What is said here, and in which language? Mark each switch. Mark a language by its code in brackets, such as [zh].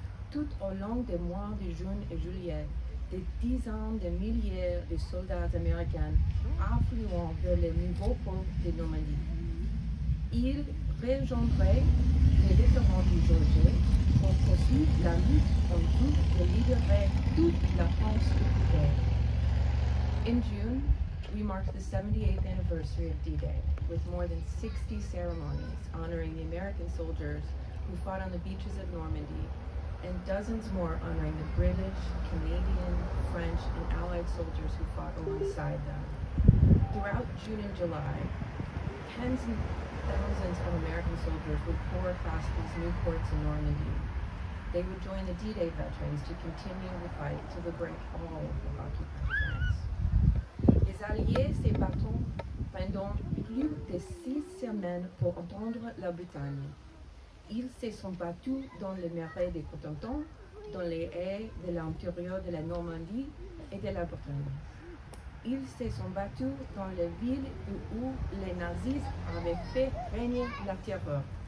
[fr] Tout au long des mois de juin et juillet, des dizaines de milliers de soldats américains affluent vers les nouveaux ports de Normandie. Ils rejoindraient les vétérans du Georgie pour poursuivre la lutte en groupe qui libérerait toute la France occupée. En juin, [en] we marked the 78th anniversary of D-Day with more than 60 ceremonies honoring the American soldiers who fought on the beaches of Normandy and dozens more honoring the British, Canadian, French, and Allied soldiers who fought alongside them. Throughout June and July, tens and thousands of American soldiers would pour across these new ports in Normandy. They would join the D-Day veterans to continue the fight to liberate all of occupied France. [fr] Les Alliés se battent pendant plus de six semaines pour entendre la Bretagne. Ils se sont battus dans les marais de Cotentin, dans les haies de l'intérieur de la Normandie et de la Bretagne. Ils se sont battus dans les villes où les nazis avaient fait régner la terreur.